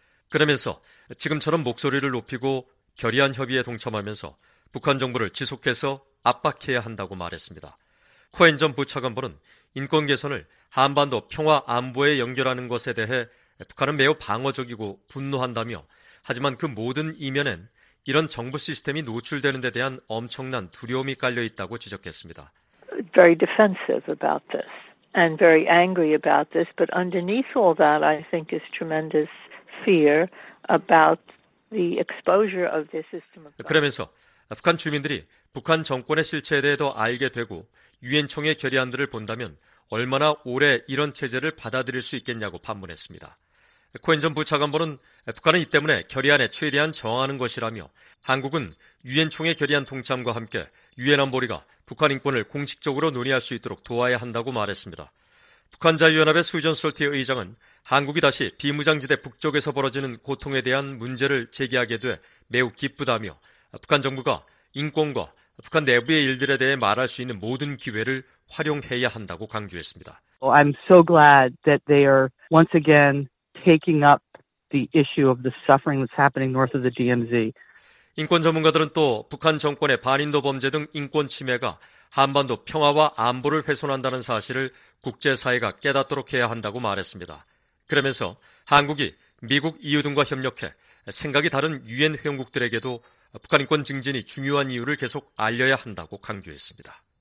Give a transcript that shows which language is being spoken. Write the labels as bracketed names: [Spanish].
[Korean] 그러면서 지금처럼 목소리를 높이고 결의안 협의에 동참하면서 북한 정부를 지속해서 압박해야 한다고 말했습니다. 코엔 전 부차관보는 인권 개선을 한반도 평화 안보에 연결하는 것에 대해 북한은 매우 방어적이고 분노한다며 하지만 그 모든 이면엔 이런 정부 시스템이 노출되는 데 대한 엄청난 두려움이 깔려 있다고 지적했습니다. [English] Very defensive about this and very angry about this, but underneath all that I think is tremendous fear about the exposure of this system. [Korean] 그러면서 북한 주민들이 북한 정권의 실체에 대해 더 알게 되고 유엔총회 결의안들을 본다면 얼마나 오래 이런 체제를 받아들일 수 있겠냐고 반문했습니다. 코엔 전 부차관보는 북한은 이 때문에 결의안에 최대한 저항하는 것이라며 한국은 유엔총회 결의안 동참과 함께 유엔 안보리가 북한 인권을 공식적으로 논의할 수 있도록 도와야 한다고 말했습니다. 북한자유연합의 수전 솔티 의장은 한국이 다시 비무장지대 북쪽에서 벌어지는 고통에 대한 문제를 제기하게 돼 매우 기쁘다며 북한 정부가 인권과 북한 내부의 일들에 대해 말할 수 있는 모든 기회를 활용해야 한다고 강조했습니다. [English] I'm so glad that they are once again taking up the issue of the suffering that's happening north of the DMZ. [Korean] 인권 전문가들은 또 북한 정권의 반인도 범죄 등 인권 침해가 한반도 평화와 안보를 훼손한다는 사실을 국제사회가 깨닫도록 해야 한다고 말했습니다. 그러면서 한국이 미국 이웃 등과 협력해 생각이 다른 유엔 회원국들에게도 북한 인권 증진이 중요한 이유를 계속 알려야 한다고 강조했습니다.